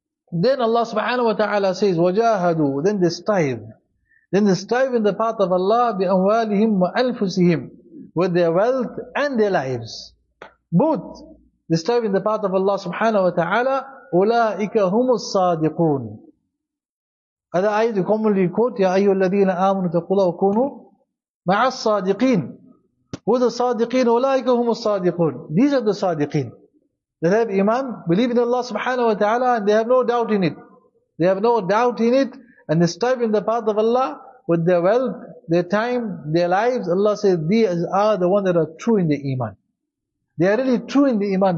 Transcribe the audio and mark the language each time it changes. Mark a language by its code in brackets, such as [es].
[en] Then Allah subhanahu wa ta'ala says, وَجَاهَدُوا. Then they strive. Then they strive in the path of Allah, [ar] بِأَمْوَالِهِمْ وَأَنْفُسِهِمْ, [en] with their wealth and their lives. Both. They strive in the path of Allah subhanahu wa ta'ala, [ar] أُولَٰئِكَ هُمُ الصَّادِقُونَ. هذا آية [en] commonly quote [ar] يا أيها الذين آمنوا اتقوا الله وكونوا مع الصادقين. [en] Who are the [ar] صادقين؟ أولئك هم الصادقون. [en] These are the صادقين. They have iman, believe in Allah subhanahu wa ta'ala, and they have no doubt in it. They have no doubt in it, and they strive in the path of Allah with their wealth, their time, their lives. Allah says, these are the ones that are true in the iman. They are really true in the iman.